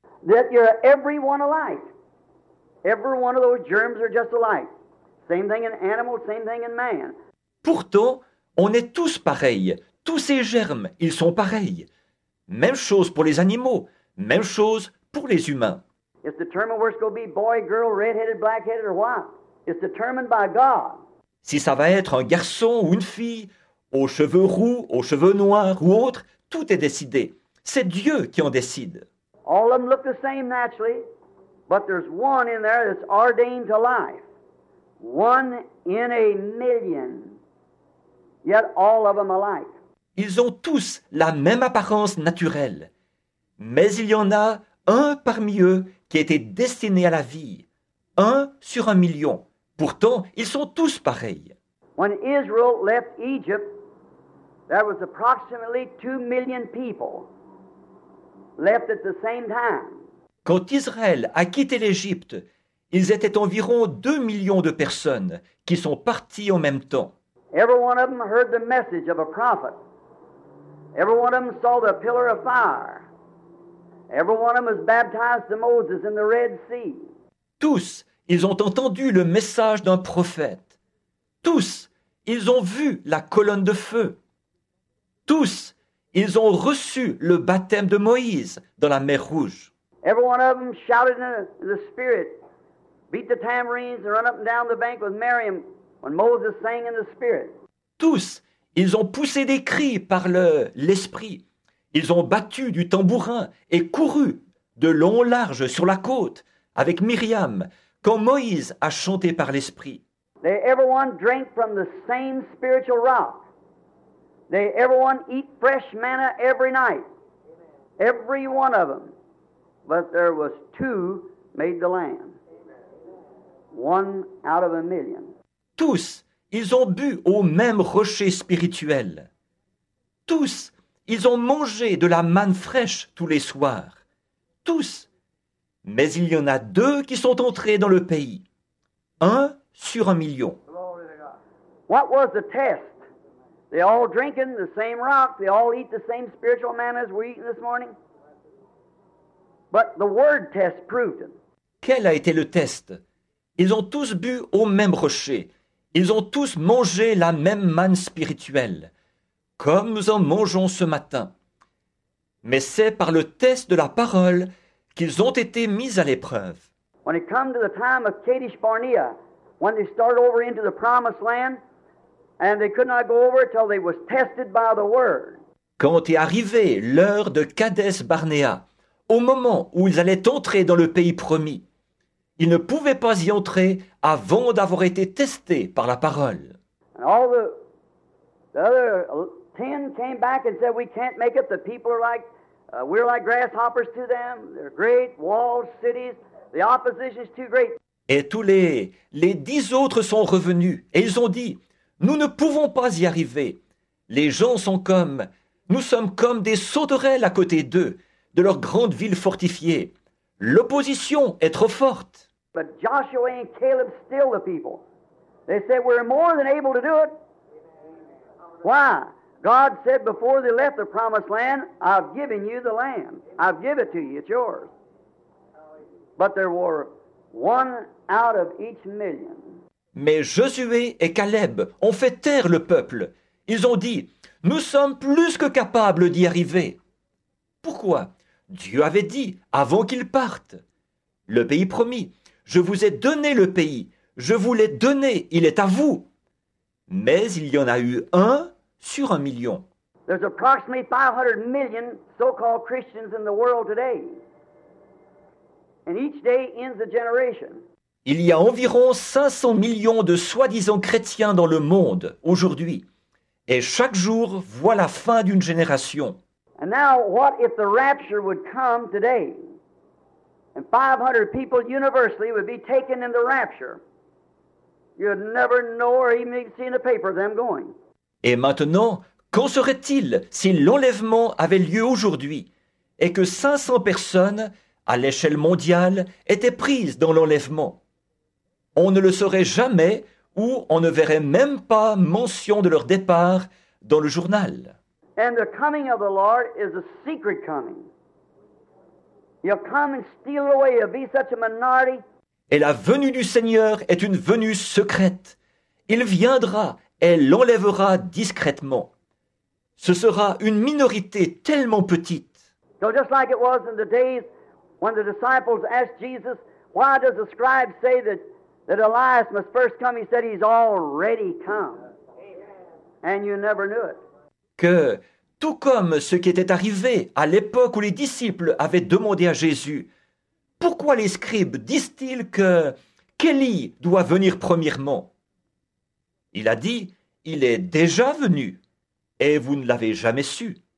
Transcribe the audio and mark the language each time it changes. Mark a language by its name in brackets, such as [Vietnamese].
[English] That you're everyone alike. Every one of those germs are just alike. Same thing in animals, same thing in man. [French] Pourtant, on est tous pareils. Tous ces germes, ils sont pareils. Même chose pour les animaux, même chose pour les humains. [English] It's determined where it's going to be boy, girl, red-headed, black-headed, or what? It's determined by God. [French] Si ça va être un garçon ou une fille, aux cheveux roux, aux cheveux noirs ou autres, tout est décidé. C'est Dieu qui en décide. [English] All of them look the same naturally, but there's one in there that's ordained to life. One in a million. Yet all of them alike. [French] Ils ont tous la même apparence naturelle. Mais il y en a un parmi eux qui était destiné à la vie, un sur un million. Pourtant, ils sont tous pareils. [English] When Israel left Egypt, there was approximately 2 million people left at the same time. [French] Quand Israël a quitté l'Égypte, ils étaient environ 2 million de personnes qui sont parties en même temps. [English] Every one of them heard the message of a prophet. Every one of them saw the pillar of fire. Every one of them was baptized to Moses in the Red Sea. [French] Tous, ils ont entendu le message d'un prophète. Tous, ils ont vu la colonne de feu. Tous, ils ont reçu le baptême de Moïse dans la mer Rouge. [English] Every one of them shouted in the spirit, beat the tambourines and run up and down the bank with Miriam when Moses sang in the spirit. [French] Tous, ils ont poussé des cris par l'esprit. Ils ont battu du tambourin et couru de long en large sur la côte avec Myriam quand Moïse a chanté par l'Esprit. [English] They everyone drank from the same spiritual rock. They everyone eat fresh manna every night. Every one of them. But there was two made the land. One out of a million. [French] Tous, ils ont bu au même rocher spirituel. Tous, ils ont mangé de la manne fraîche tous les soirs. Tous. Mais il y en a deux qui sont entrés dans le pays. Un sur un million. [English] What was the test? They all drinking the same rock. They all eat the same spiritual manna as we're eating this morning. But the word test proved it. [French] Quel a été le test? Ils ont tous bu au même rocher. Ils ont tous mangé la même manne spirituelle. Comme nous en mangeons ce matin. Mais c'est par le test de la parole qu'ils ont été mis à l'épreuve. [English] When it comes to the time of Kadesh Barnea, when they start over into the promised land, and they could not go over till they was tested by the word. [French] Quand est arrivée l'heure de Kadesh Barnea, au moment où ils allaient entrer dans le pays promis, ils ne pouvaient pas y entrer avant d'avoir été testés par la parole. [English] And all the other 10 came back and said, we can't make it. The people are like, we're like grasshoppers to them. They're great, walled cities. The opposition is too great. [French] Et tous les 10 autres sont revenus. Et ils ont dit, nous ne pouvons pas y arriver. Les gens sont comme, nous sommes comme des sauterelles à côté d'eux, de leur grande ville fortifiée. L'opposition est trop forte. [English] But Joshua and Caleb still the people. They said, we're more than able to do it. Why? God said before they left the promised land, I've given you the land. I've given it to you. It's yours. But there were one out of each million. [French] Mais Josué et Caleb ont fait taire le peuple. Ils ont dit, Nous sommes plus que capables d'y arriver. Pourquoi? Dieu avait dit, avant qu'ils partent, le pays promis, je vous ai donné le pays, je vous l'ai donné, il est à vous. Mais il y en a eu un sur un million. [English] There's approximately 500 million so-called Christians in the world today. And each day ends a generation. [French] Il y a environ 500 millions de soi-disant chrétiens dans le monde aujourd'hui. Et chaque jour voit la fin d'une génération. [English] And now, what if the rapture would come today? And 500 people universally would be taken in the rapture. You'd never know or even see in the paper them going. [French] Et maintenant, qu'en serait-il si l'enlèvement avait lieu aujourd'hui et que 500 personnes, à l'échelle mondiale, étaient prises dans l'enlèvement? On ne le saurait jamais ou on ne verrait même pas mention de leur départ dans le journal. [English] And the coming of the Lord is a secret coming. He'll come and steal away. He'll be such a minority. [French] Et la venue du Seigneur est une venue secrète. Il viendra et l'enlèvera discrètement. Ce sera une minorité tellement petite. [English] So just like it was in the days when the disciples asked Jesus, why does the scribe say that Elias must first come? He said he's already come. And you never knew it. [French] Que tout comme ce qui était arrivé à l'époque où les disciples avaient demandé à Jésus, pourquoi les scribes disent-ils qu'Élie doit venir premièrement? Il a dit, il est déjà venu. Et vous ne l'avez jamais su.